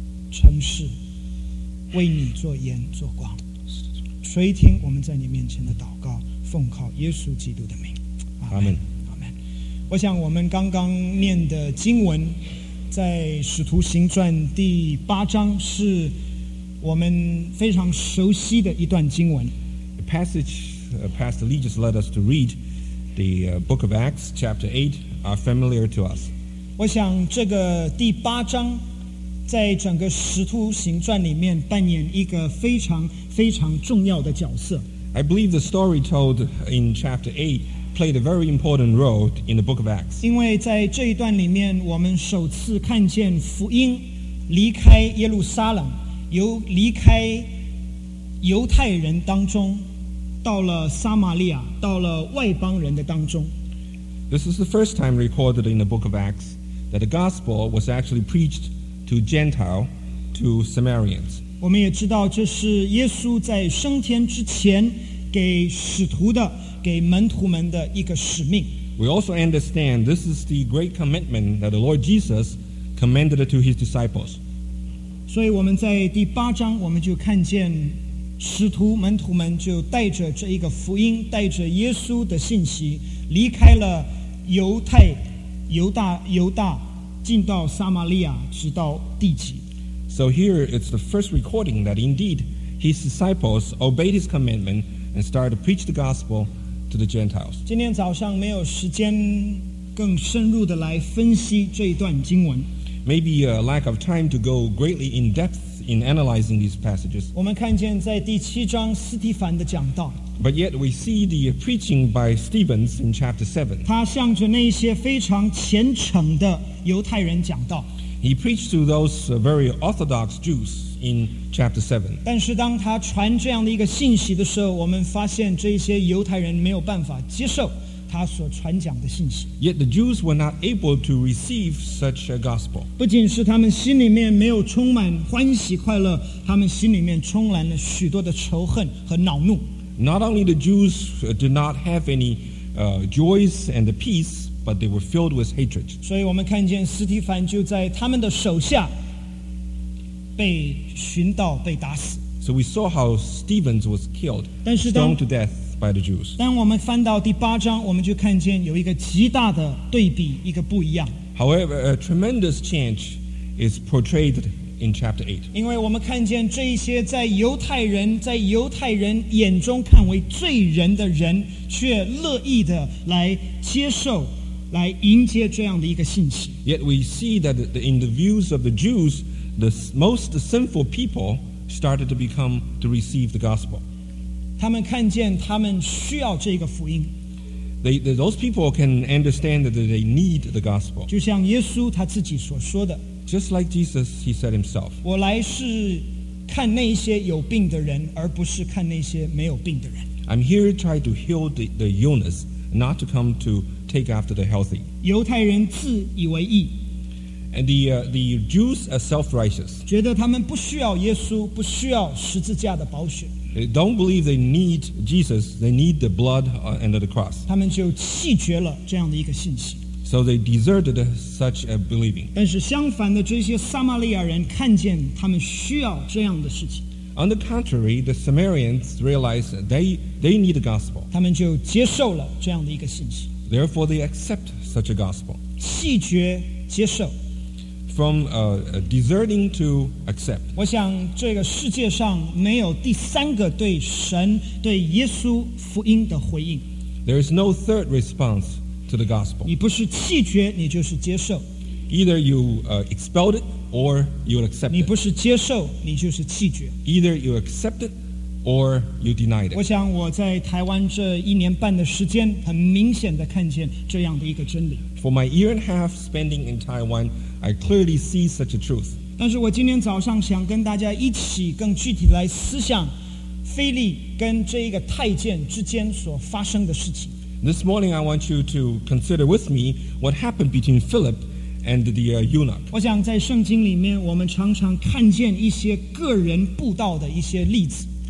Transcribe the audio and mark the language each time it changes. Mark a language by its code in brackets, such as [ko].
[zh] 城市，为你做盐做光，垂听我们在你面前的祷告，奉靠耶稣基督的名，阿门，阿门。我想我们刚刚念的经文，在《使徒行传》第八章，是我们非常熟悉的一段经文。 [en] The passage, Pastor Lee just led us to read the Book of Acts, Chapter 8, are familiar to us. [zh] 我想这个第八章。在整个《使徒行传》里面扮演一个非常非常重要的角色。 [en] I believe the story told in chapter 8 played a very important role in the book of Acts. [zh] 因为在这一段里面，我们首次看见福音离开耶路撒冷，由离开犹太人当中，到了撒玛利亚，到了外邦人的当中。 [en] This is the first time recorded in the book of Acts that the gospel was actually preached. To Gentile, to Samaritans. [zh] 我们也知道，这是耶稣在升天之前给使徒的、给门徒们的一个使命。 [en] We also understand this is the great commitment that the Lord Jesus commanded to his disciples. [zh] 所以我们在第八章我们就看见使徒门徒们就带着这一个福音，带着耶稣的信息，离开了犹太、犹大，进到撒玛利亚，直到地极。 [en] So here it's the first recording that indeed his disciples obeyed his commandment and started to preach the gospel to the Gentiles. [zh] 今天早上没有时间更深入的来分析这一段经文。 [en] Maybe a lack of time to go greatly in depth. In analyzing these passages, [zh] 我们看见在第七章斯提凡的讲道。 [en] But yet we see the preaching by Stephen in chapter 7. [zh] 他向着那些非常虔诚的犹太人讲道。 [en] He preached to those very orthodox Jews in chapter 7. [zh] 但是当他传这样的一个信息的时候，我们发现这些犹太人没有办法接受他所传讲的信息。 [en] Yet the Jews were not able to receive such a gospel. [zh] 不仅是他们心里面没有充满欢喜快乐，他们心里面充满了许多的仇恨和恼怒。 [en] Not only the Jews did not have any joys and peace, but they were filled with hatred. [zh] 所以我们看见斯提凡就在他们的手下被寻到被打死。 [en] So we saw how Stephen was killed, stoned to death. By the Jews. [zh] 当我们翻到第八章，我们就看见有一个极大的对比，一个不一样。 [en] However, a tremendous change is portrayed in chapter 8. [zh] 因为我们看见这一些在犹太人眼中看为罪人的人，却乐意的来接受，来迎接这样的一个信息。 [en] Yet we see that in the views of the Jews, the most sinful people started to become to receive the gospel. [zh] 他们看见他们需要这个福音。 [en] Those people can understand that they need the gospel. [zh] 就像耶稣他自己所说的。 [en] Just like Jesus, he said himself. [zh] 我来是看那些有病的人，而不是看那些没有病的人。 [en] I'm here to try to heal the illness, not to come to take after the healthy. [zh] 犹太人自以为义。 [en] And the Jews are self-righteous. [zh] 觉得他们不需要耶稣，不需要十字架的宝血。 [en] They don't believe they need Jesus. They need the blood and the cross. [zh] 他们就弃绝了这样的一个信息。 [en] So they deserted such a believing. [zh] 但是相反的，这些撒玛利亚人看见他们需要这样的事情。 [en] On the contrary, the Samaritans realized they need the gospel. [zh] 他们就接受了这样的一个信息。 [en] Therefore, they accept such a gospel. [zh] 弃绝接受。 [en] From deserting to accept. [zh] 我想这个世界上没有第三个对神对耶稣福音的回应。 [en] There is no third response to the gospel. [zh] 你不是弃绝，你就是接受。 [en] Either you expelled it or you accept it. [zh] 你不是接受，你就是弃绝。 [en] Either you accept it or you denied it. [zh] 我想我在台湾这一年半的时间，很明显的看见这样的一个真理。 [en] For my year and a half spending in Taiwan. I clearly see such a truth. [zh] 但是我今天早上想跟大家一起更具体来思想腓力跟这一个太监之间所发生的事情。 [en] This morning I want you to consider with me what happened between Philip and the eunuch. [zh] 我想在圣经里面我们常常看见一些个人布道的一些例子。